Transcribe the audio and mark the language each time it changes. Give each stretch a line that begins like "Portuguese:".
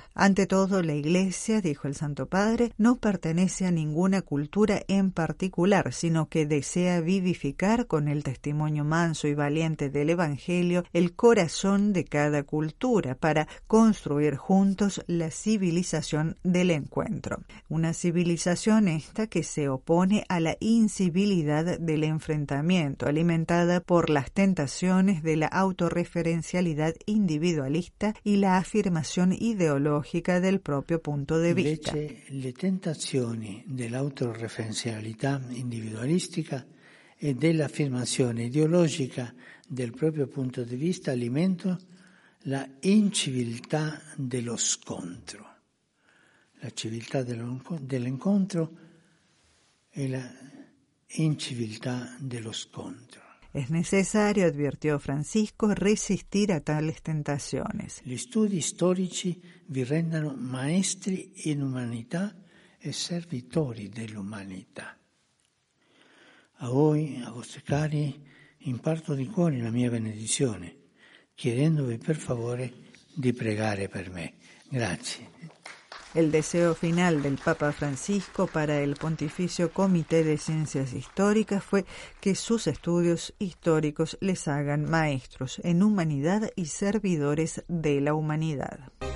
Spanish: Ante todo, la Iglesia, dijo el Santo Padre, no pertenece a ninguna cultura en particular, sino que desea vivificar con el testimonio manso y valiente del Evangelio el corazón de cada cultura para construir juntos la civilización del encuentro. Una civilización esta que se opone a la incivilidad del enfrentamiento, alimentada por las tentaciones de la autorreferencialidad individualista y la afirmación ideológica del propio punto de vista.
Italian: Invece, le tentazioni dell'autorreferenzialità individualistica e dell'affermazione ideologica del proprio punto di vista alimentano la inciviltà dello scontro. La civiltà dell'incontro e la inciviltà dello scontro.
Spanish: Es necesario, advirtió Francisco, resistir a tales tentaciones.
Italian: Gli studi storici vi rendano maestri in umanità e servitori dell'umanità. A voi, a vostri cari, imparto di cuore la mia benedizione, chiedendovi per favore di pregare per me. Grazie.
Spanish: El deseo final del Papa Francisco para el Pontificio Comité de Ciencias Históricas fue que sus estudios históricos les hagan maestros en humanidad y servidores de la humanidad.